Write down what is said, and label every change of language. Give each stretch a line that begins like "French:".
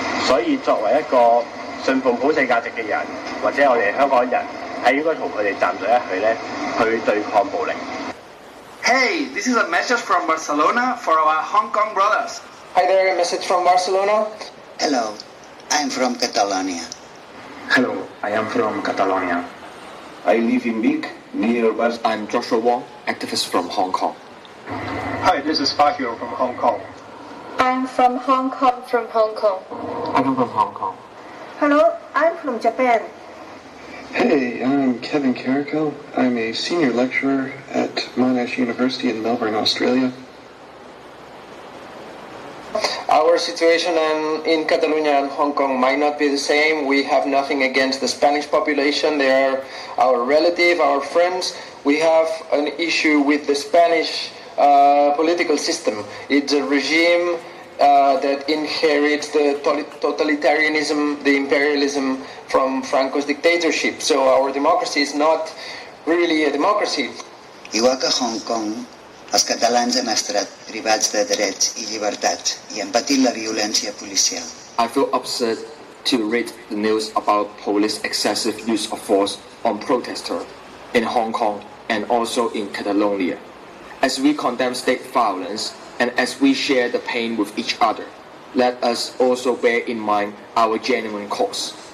Cantonese: 所以作為一個信奉普世價值嘅人，或者我哋香港人，係應該同佢哋站在一起咧，去對抗暴力。
English: Hey, this is a message from Barcelona for our Hong Kong brothers. Hi there, message from Barcelona. Hello, I'm from Catalonia. Hello, I am from Catalonia. I live in Vic. Near West. I'm Joshua Wong, activist from Hong Kong. Hi, this is Fahir from Hong Kong. I'm from Hong Kong, from Hong Kong. I'm from Hong Kong. Hello, I'm from Japan. Hey, I'm Kevin Carrico. I'm a senior lecturer at Monash University in Melbourne, Australia. Our situation in Catalonia and Hong Kong might not be the same. We have nothing against the Spanish population. They are our relative, our friends. We have an issue with the Spanish political system. It's a regime that inherits the totalitarianism, the imperialism from Franco's dictatorship. So our democracy is not really a democracy. Iwaka Hong Kong.
Catalan: Els catalans hem estat privats de drets i llibertats i hem patit la violència policial.
English: I feel upset to read the news about police excessive use of force on protesters in Hong Kong and also in Catalonia. As we condemn state violence and as we share the pain with each other, let us also bear in mind our genuine cause.